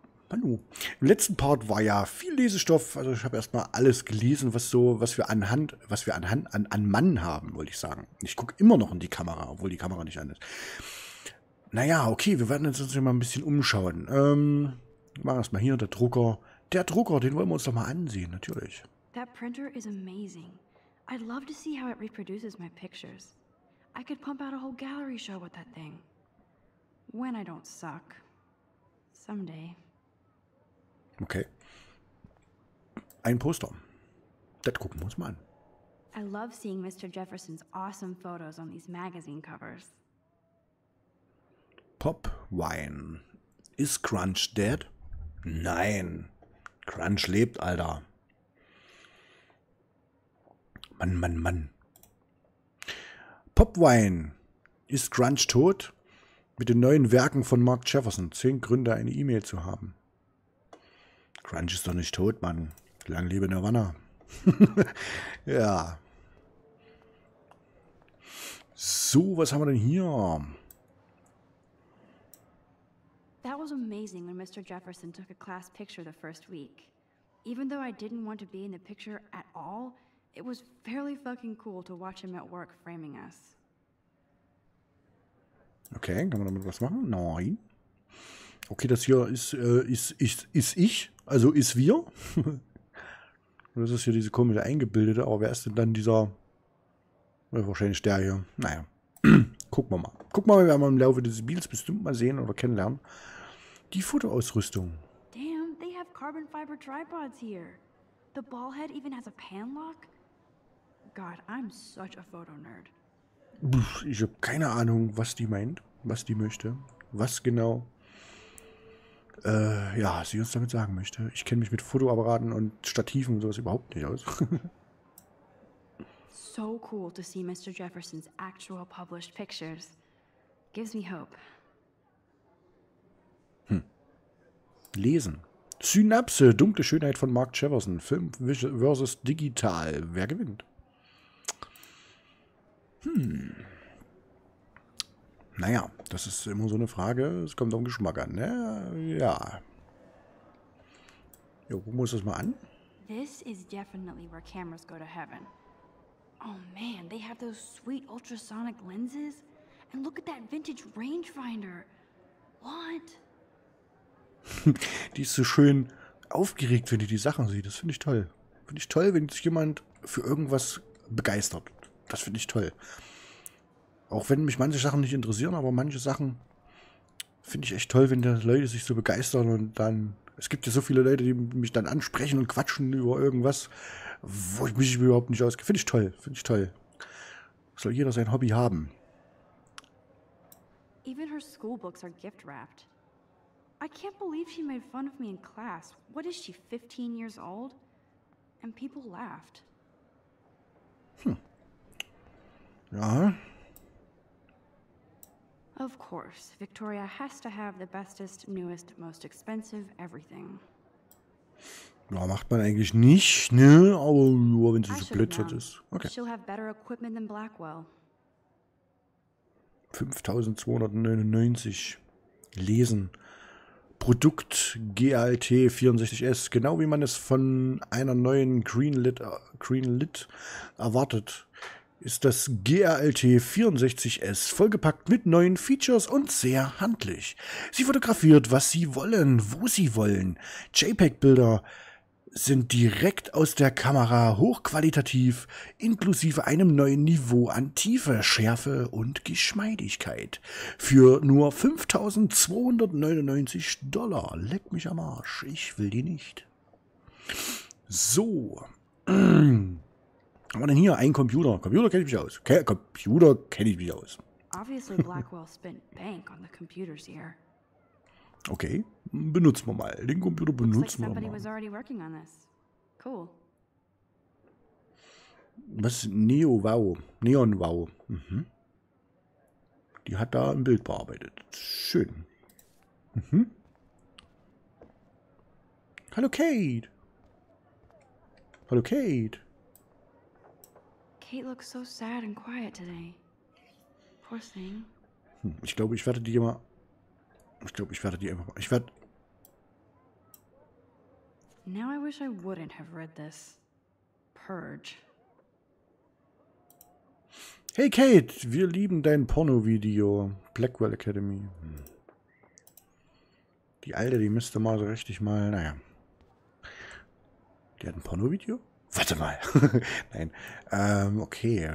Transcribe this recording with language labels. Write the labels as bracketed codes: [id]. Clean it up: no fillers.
[de] Manu. Im letzten Part war ja viel Lesestoff. Also, ich habe erstmal alles gelesen, was wir an Mann haben, wollte ich sagen. Ich gucke immer noch in die Kamera, obwohl die Kamera nicht an ist. Naja, okay, wir werden uns jetzt mal ein bisschen umschauen. Machen erstmal hier, der Drucker. Der Drucker, den wollen wir uns doch mal ansehen, natürlich. [en] That printer is amazing. I'd love to see how it reproduces my pictures. I could pump out a whole gallery show with that thing. When I don't suck. Someday. [de] Okay. Ein Poster. Das gucken wir uns mal an. [en] I love seeing Mr. Jefferson's awesome photos on these magazine covers. Pop Wine. Is Crunch dead? [de] Nein. Crunch lebt, Alter. Mann, Mann, Mann. Popwine. Ist Crunch tot? Mit den neuen Werken von Mark Jefferson. 10 Gründe, eine E-Mail zu haben. Crunch ist doch nicht tot, Mann. Lang lebe Nirvana. Ja. So, was haben wir denn hier? [en] That was amazing when Mr. Jefferson took a class picture the first week. Even though I didn't want to be in the picture at all, it was fairly fucking cool to watch him at work framing us. [de] Okay, kann man damit was machen? Nein. Okay, das hier ist ich, also ist wir. Und das ist hier diese komische Eingebildete, aber wer ist denn dann dieser? Wahrscheinlich der hier. Naja, gucken wir mal. Gucken wir mal, werden wir im Laufe des Spiels bestimmt mal sehen oder kennenlernen. Die Fotoausrüstung. [en] Carbon fiber tripods here. The ball head even has a pan lock. God, I'm such a photo nerd. [de] Ich habe keine Ahnung, was die meint, was die möchte, was genau. Ja, sie uns damit sagen möchte. Ich kenne mich mit Fotoapparaten und Stativen und sowas überhaupt nicht aus. [en] So cool to see Mr. Jefferson's actual published pictures. Gives me hope. [de] Lesen. Synapse, dunkle Schönheit von Mark Jefferson. Film versus digital. Wer gewinnt? Naja, das ist immer so eine Frage. Es kommt auf den Geschmack an. Ja. Jo, gucken wir uns das mal an. [en] This is definitely where cameras go to heaven. Oh man, they have those sweet ultrasonic lenses. And look at that vintage rangefinder. What? [de] Die ist so schön aufgeregt, wenn die die Sachen sieht. Das finde ich toll. Finde ich toll, wenn sich jemand für irgendwas begeistert. Das finde ich toll. Auch wenn mich manche Sachen nicht interessieren, aber manche Sachen finde ich echt toll, wenn die Leute sich so begeistern und dann. Es gibt ja so viele Leute, die mich dann ansprechen und quatschen über irgendwas, wo ich mich überhaupt nicht auskenne. Finde ich toll. Finde ich toll. Soll jeder sein Hobby haben. [en] Even her schoolbooks are gift wrapped. I can't believe she made fun of me in class. What is she, 15 years old? And people laughed. [de] Ja. [en] Of course, Victoria has to have the bestest, newest, most expensive everything. [de] Ja, macht man eigentlich nicht, ne? Aber nur, wenn sie so blitzert ist. Okay. [en] She'll have better equipment than Blackwell. [de] 5299 lesen. Produkt GALT 64S, genau wie man es von einer neuen Greenlit erwartet, ist das GALT 64S vollgepackt mit neuen Features und sehr handlich. Sie fotografiert, was sie wollen, wo sie wollen. JPEG-Bilder sind direkt aus der Kamera hochqualitativ, inklusive einem neuen Niveau an Tiefe, Schärfe und Geschmeidigkeit. Für nur $5,299. Leck mich am Arsch, ich will die nicht. So. Was haben wir denn hier? Ein Computer. Computer kenne ich mich aus. Computer kenne ich mich aus. [en] Obviously Blackwell spent bank on the computers here. [de] Okay, benutzen wir mal. Den Computer benutzen [en] like [de] wir mal. [en] Was already working on this. Cool. [de] Was? Neo Wow. Neon Wow. Mhm. Die hat da ein Bild bearbeitet. Schön. Mhm. Hallo Kate. Hallo Kate. [en] Kate looks so sad and quiet today. Poor thing. [de] Ich glaube, ich werde die mal. Ich glaube, ich werde die immer. Ich werde. [en] Now I wish I wouldn't have read this. Purge. [de] Hey Kate, wir lieben dein Porno-Video. Blackwell Academy. Die Alte, die müsste mal so richtig mal. Naja. Die hat ein Porno-Video? Warte mal. Nein. Okay.